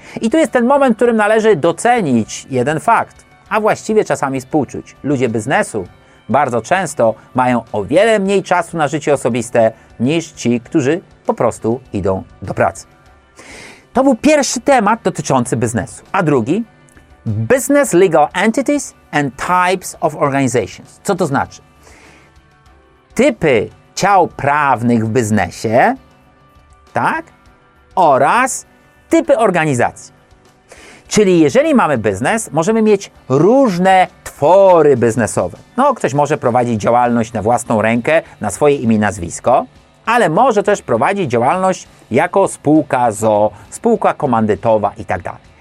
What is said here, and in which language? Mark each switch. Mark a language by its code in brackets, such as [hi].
[pl] I tu jest ten moment, w którym należy docenić jeden fakt, a właściwie czasami współczuć. Ludzie biznesu bardzo często mają o wiele mniej czasu na życie osobiste niż ci, którzy po prostu idą do pracy. To był pierwszy temat dotyczący biznesu. A drugi? [en] Business Legal Entities and Types of Organizations. [pl] Co to znaczy? Typy ciał prawnych w biznesie, tak? Oraz typy organizacji. Czyli jeżeli mamy biznes, możemy mieć różne twory biznesowe. No, ktoś może prowadzić działalność na własną rękę, na swoje imię i nazwisko, ale może też prowadzić działalność jako spółka z o, spółka komandytowa i tak dalej.